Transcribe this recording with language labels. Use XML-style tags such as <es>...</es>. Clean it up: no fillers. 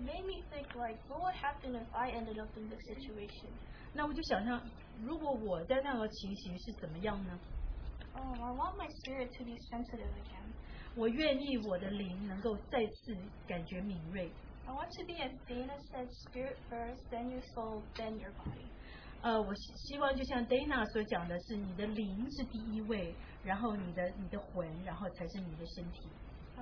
<en>made me think like, what would happen if I ended up in this situation?</en> <zh>那我就想象，如果我在那个情形是怎么样呢？</zh> <en>I want my spirit to be sensitive again.</en> <zh>我愿意我的灵能够再次感觉敏锐。</zh> <en>I want to be as Dana said, spirit first, then your soul, then your body.</en> <zh>我希望就像 Dana 所讲的是，你的灵是第一位，然后你的魂，然后才是你的身体。</zh> <en>I</en>